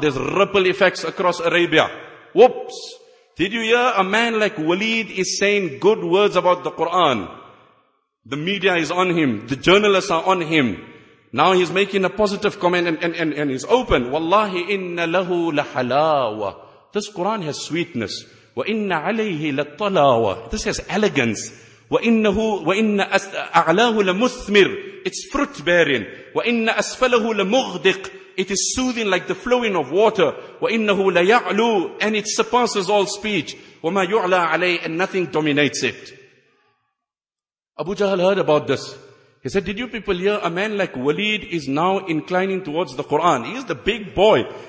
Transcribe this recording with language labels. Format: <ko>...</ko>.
<en>There's ripple effects across Arabia. Whoops! Did you hear a man like Walid is saying good words about the Quran? The media is on him. The journalists are on him. Now he's making a positive comment and he's open.</en> <ar>Wallahi inna lahu lahalawa.</ar> <en>This Quran has sweetness.</en> <ar>Wa inna alayhi latalawa.</ar> <en>This has elegance.</en> <ar>وَإِنَّ أَعْلَاهُ لَمُثْمِرُ</ar> <en>It's fruit-bearing.</en> <ar>وَإِنَّ أَسْفَلَهُ لَمُغْدِقُ</ar> <en>It is soothing like the flowing of water.</en> <ar>وَإِنَّهُ لَيَعْلُو</ar> <en>And it surpasses all speech.</en> <ar>وَمَا يُعْلَى عَلَيْهِ</ar> <en>And nothing dominates it. Abu Jahl heard about this. He said, did you people hear a man like Walid is now inclining towards the Quran? He is the big boy.</en>